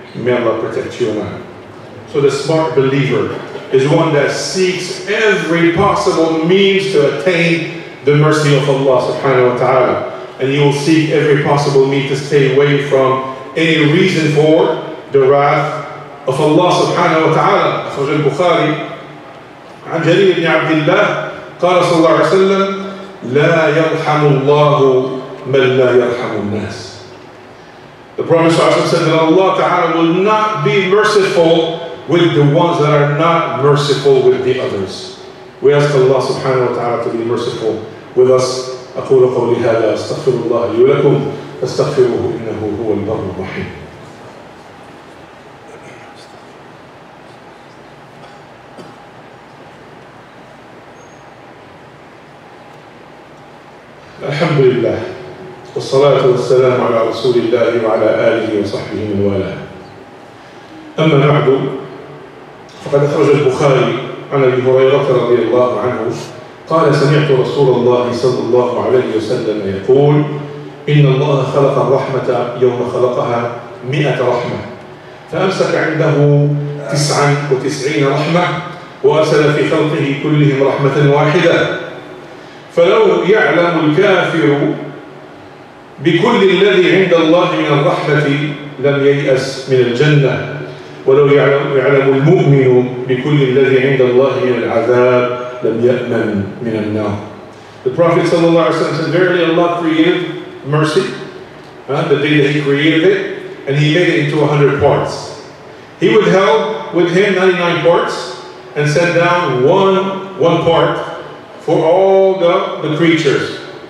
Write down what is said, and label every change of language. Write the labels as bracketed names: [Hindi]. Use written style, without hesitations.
[English] May Allah protect you, man. So the smart believer is one that seeks every possible means to attain the mercy of Allah subhanahu wa ta'ala. And you will seek every possible means to stay away from any reason for the wrath of Allah subhanahu wa ta'ala. [Arabic] أخرج البخاري عن جرير بن عبد الله قال صلى الله عليه وسلم لا يرحم الله من لا يرحم الناس. [English] The Prophet صلى الله عليه وسلم said that Allah ta'ala will not be merciful with the ones that are not merciful with the others. We ask Allah subhanahu wa ta'ala to be merciful with us. [Arabic] أقول قولي هذا أستغفر الله لي ولكم فاستغفروه إنه هو البر الرحيم. الحمد لله والصلاة والسلام على رسول الله وعلى آله وصحبه من والاه. أما بعد، فقد أخرج البخاري عن أبي هريرة رضي الله عنه قال سمعت رسول الله صلى الله عليه وسلم يقول إن الله خلق الرحمة يوم خلقها 100 رحمة فأمسك عنده 99 رحمة وأرسل في خلقه كلهم رحمة واحدة فلو يعلم الكافر بكل الذي عند الله من الرحمة لم ييأس من الجنة ولو يعلم المؤمن بكل الذي عند الله من العذاب لم يأمن من النار. [English] The Prophet صلى الله عليه وسلم said, verily Allah created mercy, the day that He created it, and He made it into 100 parts. He withheld with Him 99 parts and sent down one part for all the creatures.